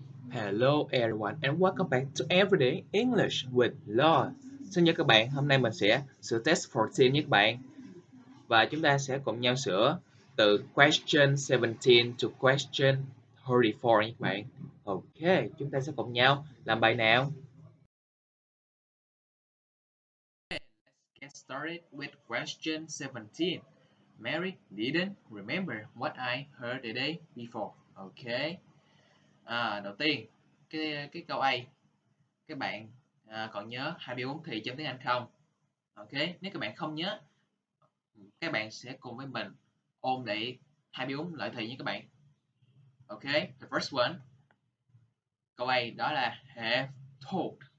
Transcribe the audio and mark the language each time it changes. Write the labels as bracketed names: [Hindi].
[English] Hello everyone and welcome back to Everyday English with Law. [Vietnamese] Xin chào các bạn, hôm nay mình sẽ sửa test 14 nhé các bạn. Và chúng ta sẽ cùng nhau sửa từ [English] question 17 to question 34 [Vietnamese] nhé các bạn. Ok, chúng ta sẽ cùng nhau làm bài nào. [English] Let's get started with question 17. Mary didn't remember what I heard the day before. Ok. [Vietnamese] À, đầu tiên cái câu A, các bạn còn nhớ 24 thì trong tiếng Anh không? Ok, nếu các bạn không nhớ, các bạn sẽ cùng với mình ôn lại 24 lợi thì nhé các bạn. [English] Ok, the first one, [Vietnamese] câu A đó là [English] have told.